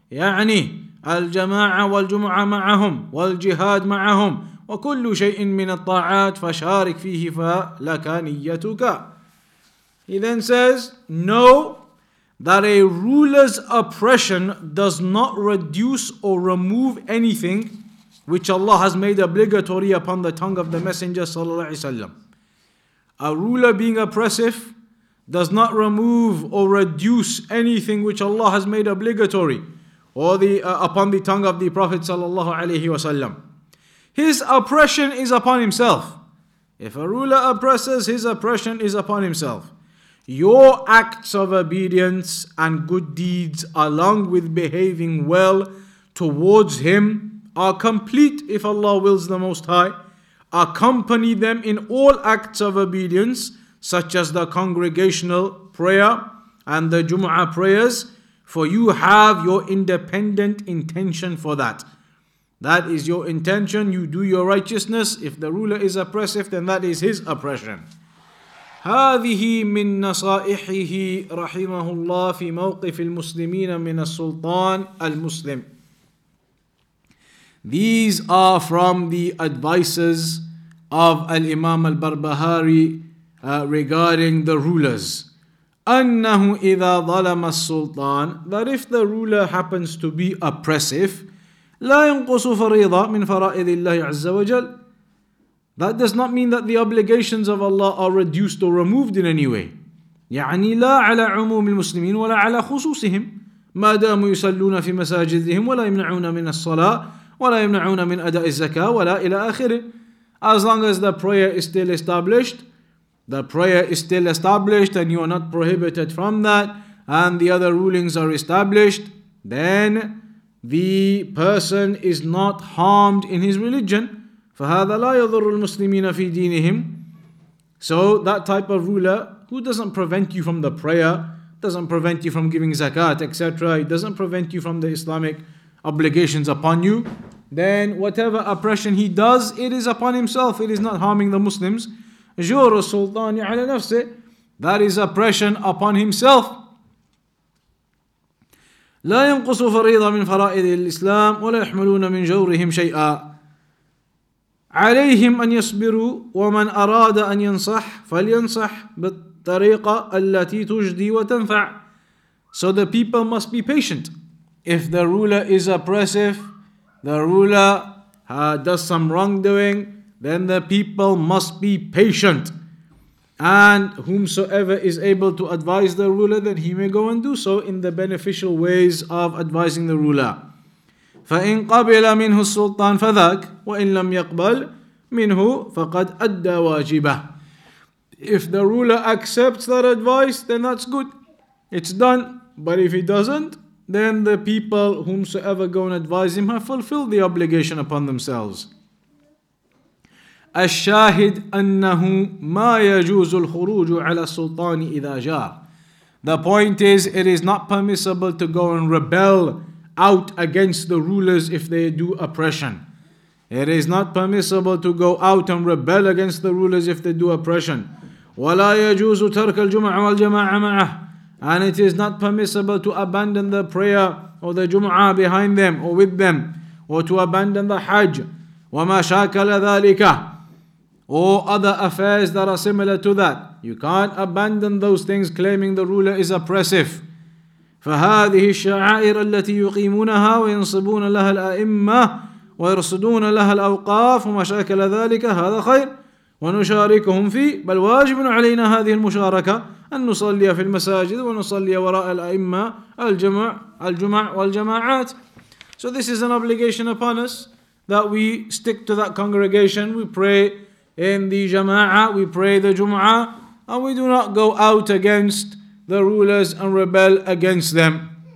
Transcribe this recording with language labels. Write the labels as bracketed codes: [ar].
[ar] يعني الجماعة والجمعة معهم والجهاد معهم وكل شيء من الطاعات فشارك فيه فلك نيتك. [en] He then says, know that a ruler's oppression does not reduce or remove anything which Allah has made obligatory upon the tongue of the Messenger sallallahu alaihi wasallam. A ruler being oppressive does not remove or reduce anything which Allah has made obligatory or upon the tongue of the Prophet sallallahu alaihi wasallam. His oppression is upon himself. If a ruler oppresses, his oppression is upon himself. Your acts of obedience and good deeds, along with behaving well towards him, are complete if Allah wills the Most High. Accompany them in all acts of obedience, such as the congregational prayer and the Jumu'ah prayers, for you have your independent intention for that. That is your intention, you do your righteousness. If the ruler is oppressive, then that is his oppression. [ar] هذه من نصائحه رحمه الله في موقف المسلمين من السلطان المسلم. [en] These are from the advices of Al-Imam Al-Barbahari regarding the rulers. [ar] أنه إذا ظلم السلطان, [en] that if the ruler happens to be oppressive, [ar] لا ينقص فريضة من فرائض الله عز وجل, [en] that does not mean that the obligations of Allah are reduced or removed in any way. [ar] يعني لا على عموم المسلمين ولا على خصوصهم ما داموا يصلون في مساجدهم ولا يمنعون من الصلاة ولا يمنعون من أداء الزكاة ولا إلى آخره. [en] As long as the prayer is still established, and you are not prohibited from that, and the other rulings are established, then the person is not harmed in his religion. [ar] فَهَذَا لَا يَضُرُّ الْمُسْلِمِينَ فِي دِينِهِمْ. [en] So that type of ruler who doesn't prevent you from the prayer, doesn't prevent you from giving zakat, etc., he doesn't prevent you from the Islamic obligations upon you, then whatever oppression he does, it is upon himself, it is not harming the Muslims. [ar] جُورُ السُّلْطَانِ عَلَى نَفْسِهِ, [en] that is oppression upon himself. [ar] لَا يَنْقُصُ فَرِيضًا مِنْ فَرَائِضِ الْإِسْلَامِ وَلَا يَحْمَلُونَ مِنْ جَوْرِهِمْ شَيْئًا. عليهم أن يصبروا ومن أراد أن ينصح فلينصح بالطريقة التي تجدي وتنفع. [en] So the people must be patient. If the ruler is oppressive, the ruler does some wrongdoing, then the people must be patient. And whomsoever is able to advise the ruler, then he may go and do so in the beneficial ways of advising the ruler. [ar] فَإِنْ قَبِلَ مِنْهُ السُّلْطَانِ فَذَاكْ وَإِنْ لَمْ يَقْبَلْ مِنْهُ فَقَدْ أَدَّى وَاجِبَهُ. [en] if the ruler accepts that advice, then that's good. It's done. But if he doesn't, then the people whomsoever go and advise him have fulfilled the obligation upon themselves. [ar] الشاهد أنه ما يجوز الخروج على السلطان إذا جار. [en] The point is, it is not permissible to go and rebel out against the rulers if they do oppression. It is not permissible to go out and rebel against the rulers if they do oppression. [ar] ولا يجوز ترك الجمعة والجماعة معه. [en] And it is not permissible to abandon the prayer or the Jum'ah behind them or with them, or to abandon the Hajj. [ar] وما شاكل ذلك. [en] Or other affairs that are similar to that. You can't abandon those things claiming the ruler is oppressive. [ar] فهذه الشعائر التي يقيمونها وينصبون لها الأئمة ويرصدون لها الأوقاف وما شاكل ذلك هذا خير ونشاركهم فيه بل واجب علينا هذه المشاركة أن نصلي في المساجد ونصلي وراء الأئمة الجمع والجماعات. [en] So this is an obligation upon us that we stick to that congregation, we pray in the jama'ah, we pray the jum'ah, and we do not go out against the rulers and rebel against them.